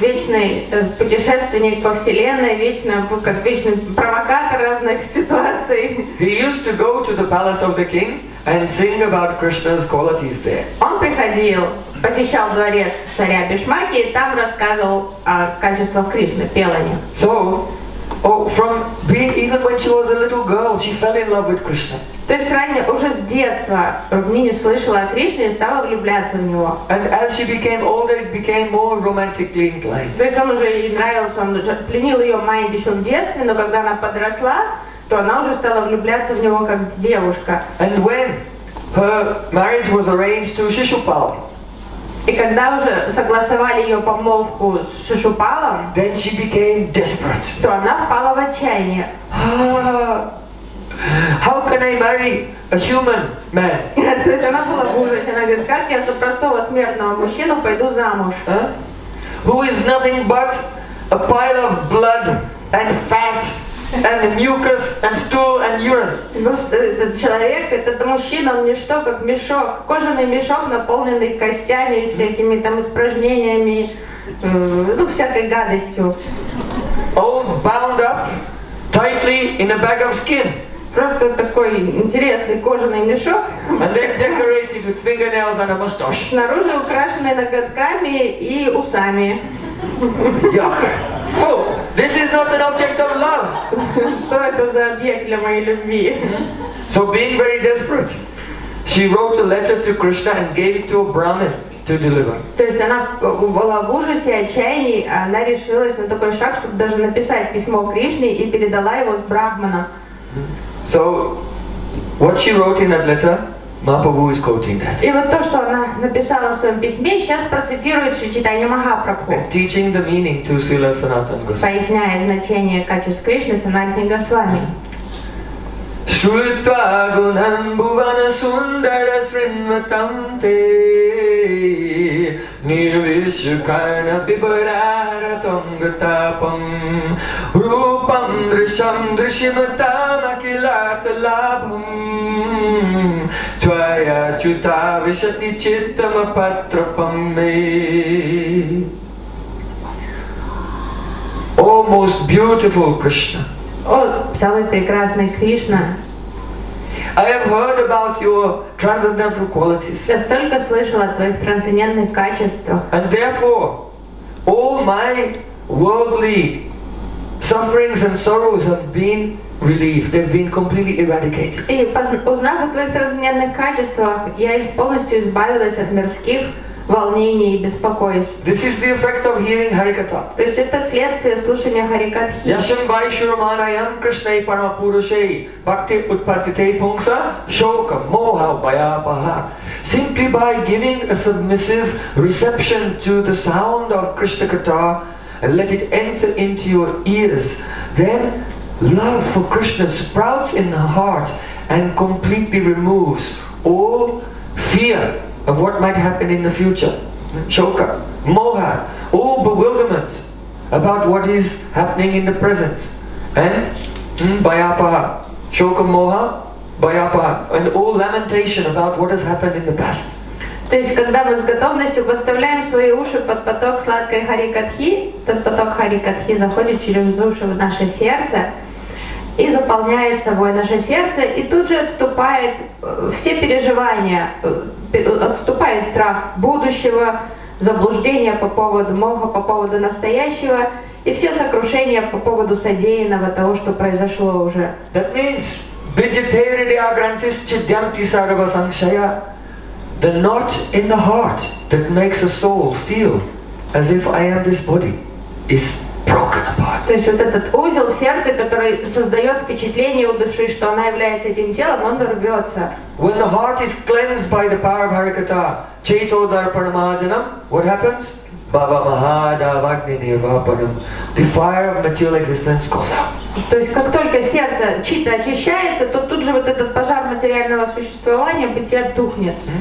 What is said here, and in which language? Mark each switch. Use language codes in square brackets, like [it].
[ru] Вечный путешественник по вселенной, вечный провокатор разных ситуаций. [en] He used to go to the palace of the king and sing about Krishna's qualities there. [ru] Он приходил, посещал дворец царя Бишмаки и там рассказывал о качествах Кришны, пел о них. [en] So, from being even when she was a little girl, she fell in love with Krishna. [ru] То есть ранее уже с детства Рукмини слышала о Кришне и стала влюбляться в него. [en] And as she became older, it became more romantically inclined. [ru] То есть он уже ей нравился, он пленил ее майнд еще в детстве, но когда она подросла, то она уже стала влюбляться в него как девушка. [en] And when her marriage was arranged to Shishupala, [ru] и когда уже согласовали ее помолвку с Шишупалом, [en] then she became desperate. [ru] То она впала в отчаяние. [en] How can I marry a human man? [ru] То есть она была в ужасе, она говорит, как я за простого смертного мужчину пойду замуж? [en] Who is nothing but a pile of blood and fat and mucus and stool and urine. [ru] Этот человек, этот мужчина, он не что, как мешок, кожаный мешок, наполненный костями, всякими там испражнениями, ну, всякой гадостью. [en] All bound up tightly in a bag of skin. [ru] Просто такой интересный кожаный мешок. [en] And then decorated with fingernails and a mustache. [ru] Снаружи украшенный ноготками и усами. [en] Yuck. This is not an object of love. [ru] Что это за объект для моей любви? [en] So being very desperate, she wrote a letter to Krishna and gave it to a Brahmin to deliver. [ru] То есть она была в ужасе, отчаянии, она решилась на такой шаг, чтобы даже написать письмо Кришне и передала его с Брахмана. [en] So what she wrote in that letter, Mahaprabhu is quoting that. [ru] И вот то, что она написала в своем письме, сейчас процитирует Шри Чайтанья Махапрабху. [en] Teaching the meaning to Srila Sanatana Goswami. [ru] Поясняя значение качеств Кришны Санатани Госвами. [sa] Шрутва гунам бувана сундара сринватам те нирвишкана бибараратам гатапам рупам дришам дришиматам акилат лабхам твая чута вишати читтам апатрапам ме. [en] О, most beautiful Krishna! [ru] О, самый прекрасный Кришна! [en] I have heard about your transcendental qualities. [ru] Я столько слышал о твоих трансцендентных качествах. [en] And therefore, all my worldly sufferings and sorrows have been relieved. They've been completely eradicated. [ru] И узнав о твоих трансцендентных качествах, я полностью избавилась от мирских волнений и беспокойств. [en] This is the effect of hearing Harikatha. [ru] То есть это следствие слушания Харикатхи. [sa] Яшам Вайшурманаям Кришнай Парамапурушей Бхакти Утпатитей Пунгса Шока Моха Баяпаха. [en] Simply by giving a submissive reception to the sound of Krishna Katha and let it enter into your ears, then love for Krishna sprouts in the heart and completely removes all fear of what might happen in the future. Shoka, moha, all bewilderment, about what is happening in the present. And bhayapaha, shokamoha, bhayapaha, and all lamentation about what has happened in the past. [ru] То есть, когда мы с готовностью подставляем свои уши под поток сладкой Харикатхи, тот поток Харикатхи заходит через уши в наше сердце и заполняет собой наше сердце, и тут же отступает все переживания, отступает страх будущего, заблуждения по поводу моха, по поводу настоящего, и все сокрушения по поводу содеянного, того, что произошло уже. [en] That means, [sa] vegetarity agrantis chidyanti sarva sanshaya. [en] The knot in the heart that makes a soul feel as if I am this body is broken apart. [ru] То есть вот этот узел в сердце, который создает впечатление у души, что она является этим телом, он рвется. [en] When the heart is cleansed by the power of Harikatha, [sa] Chaito Darpanamajanam, [en] what happens? [sa] Bhava Mahadavagni Nirvapanam. [en] The fire of material existence goes out. [ru] То есть, как только сердце чита очищается, то тут же вот этот пожар материального существования, бытия, тухнет.